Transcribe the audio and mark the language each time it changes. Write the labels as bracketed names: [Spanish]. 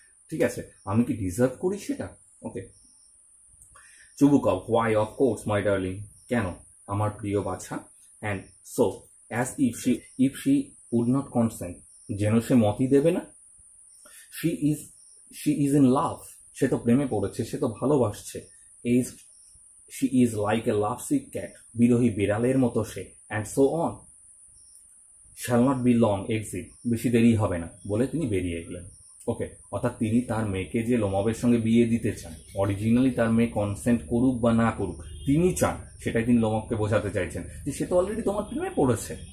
[Bangla] ঠিক আছে, আমি কি ডিজার্ভ করি সেটা? ওকে, চুবুকব, [English] why of course my darling, [Bangla] কেন আমার প্রিয় বাছা। [English] and so as if she would not consent, [Bangla] যেন সে মতই দেবে না। [English] She is in love, [Bangla] সে তো প্রেমে পড়েছে, সে তো ভালোবাসছে। [English] She is like a lovesick cat, [Bangla] বিরহী বিড়ালের মতো সে। [English] And so on, shall not be long exit, [Bangla] বেশি দেরি হবে না, বলে তিনি বেরিয়ে গেলেন। ওকে, অর্থাৎ তিনি তার মেয়েকে যে লোমাবের সঙ্গে বিয়ে দিতে চান, অরিজিনালি তার মেয়ে কনসেন্ট করুক বা না করুক তিনি চান, সেটাই তিনি লোমাবকে বোঝাতে চাইছেন যে সে তো অলরেডি তোমার প্রেমে পড়েছে।